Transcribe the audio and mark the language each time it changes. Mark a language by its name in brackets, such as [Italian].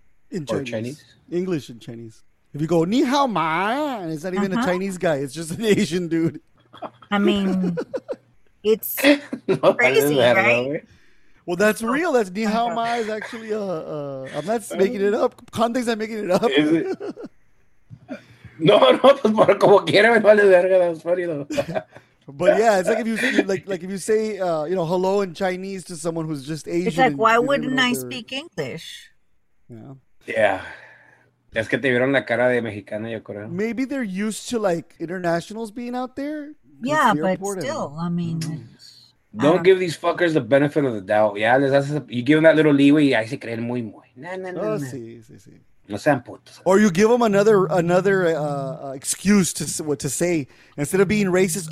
[English] in Chinese. Chinese, English in Chinese. If you go, [Chinese] ni hao ma, [English] it's not even a Chinese guy. It's just an Asian dude. I mean, it's crazy, that right? Well, that's real. That's [Chinese] ni hao ma [English] is actually I'm not making it up. Context, I'm making it up. Is it? [Spanish] No, pues por como quiera, me vale verga. [English] That's funny, though. But yeah, it's like if you say you know, hello in Chinese to someone who's just Asian. It's like, why wouldn't I speak English? Yeah. [Spanish] Es que te vieron la cara de mexicana, yo creo. [English] Maybe they're used to like internationals being out there. Yeah, but still, I mean, don't give these fuckers the benefit of the doubt. Yeah, you give them that little leeway, [Spanish] y ahí se creen muy muy. No sean putos. [English] Or you give them another excuse to say instead of being racist.